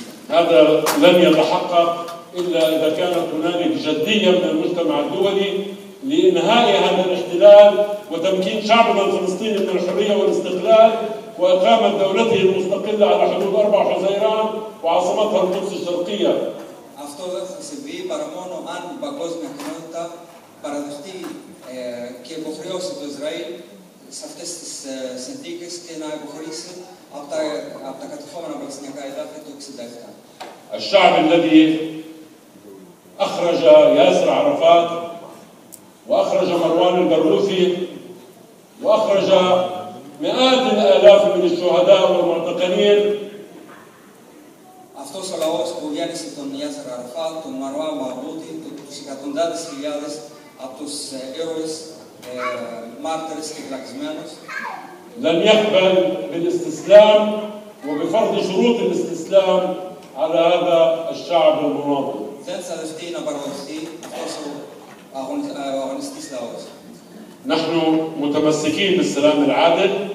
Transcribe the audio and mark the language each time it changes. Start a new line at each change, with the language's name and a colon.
Arabic: هذا لن يتحقق إلا إذا كانت هنالك جدية من المجتمع الدولي لإنهاء هذا الاحتلال وتمكين شعبنا الفلسطيني من الحرية والاستقلال وإقامة دولته المستقلة على حدود 4 حزيران وعاصمتها القدس الشرقية.
Greek: Αυτό δεν θα συμβεί παρά μόνο αν η παγκόσμια κοινότητα παραδεχτεί και υποχρεώσει το Ισραήλ σε αυτές τις συνθήκες και να υποχωρήσει από τα κατεχόμενα παλαιστινιακά εδάφη του 67.
Arabic: الشعب الذي أخرج ياسر عرفات وأخرج مروان البرغوثي وأخرج مئات الآلاف من الشهداء والمعتقلين.
Greek: Αυτός ο λαός που γέννησε τον Ιάσερ Αραφάτ, τον Μαρουάν Μπαρούτι, τους εκατοντάδες χιλιάδες από τους ήρωες, μάρτυρες και φυλακισμένους.
Arabic: لم يقبل بالاستسلام وبفرض شروط الاستسلام على هذا الشعب المناضل.
Greek: Δεν θα δεχτεί να παραδεχτεί αυτός ο αγωνιστής λαός.
Arabic: نحن متمسكين بالسلام العادل.